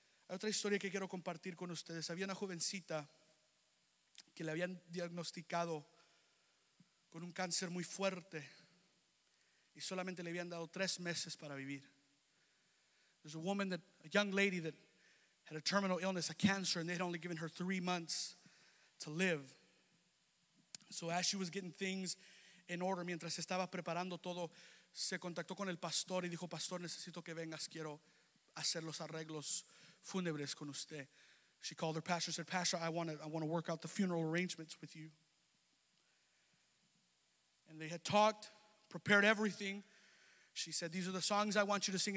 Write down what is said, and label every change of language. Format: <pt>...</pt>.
<es>Hay otra historia que quiero compartir con ustedes. Había una jovencita que le habían diagnosticado con un cáncer muy fuerte y solamente le habían dado 3 meses para vivir.</es> <en>There's a woman, a young lady that had a terminal illness, a cancer, and they had only given her 3 months to live. So as she was getting things in order,</en> <es>mientras estaba preparando todo, se contactó con el pastor y dijo, pastor, necesito que vengas, quiero hacer los arreglos fúnebres con usted.</es> <en>She called her pastor and said, pastor, I want to work out the funeral arrangements with you. And they had talked, prepared everything. She said, these are the songs I want you to sing.</en>